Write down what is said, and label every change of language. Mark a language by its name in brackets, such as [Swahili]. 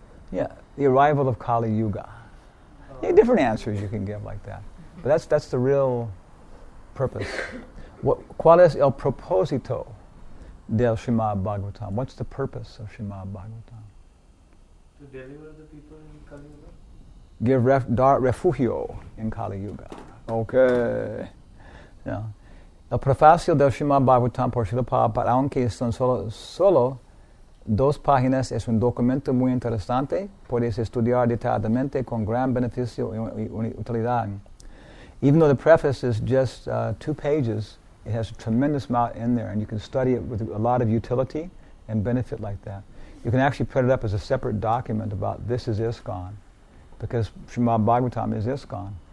[English] Yeah, the arrival of Kali Yuga. Yeah, different answers you can give like that. But that's the real purpose? [Spanish] ¿Cuál es el propósito del Srimad Bhagavatam? [English] What's the purpose of Srimad Bhagavatam? To deliver the people in Kali Yuga. Give refugio in Kali Yuga. Okay. Yeah. [Spanish] El prefacio del Srimad Bhagavatam por Srila Prabhupada, aunque son solo dos páginas, es un documento muy interesante. Puedes estudiar detalladamente con gran beneficio y utilidad. [English] Even though the preface is just two pages, it has a tremendous amount in there, and you can study it with a lot of utility and benefit like that. You can actually put it up as a separate document about this is ISKCON, because Srimad Bhagavatam is ISKCON.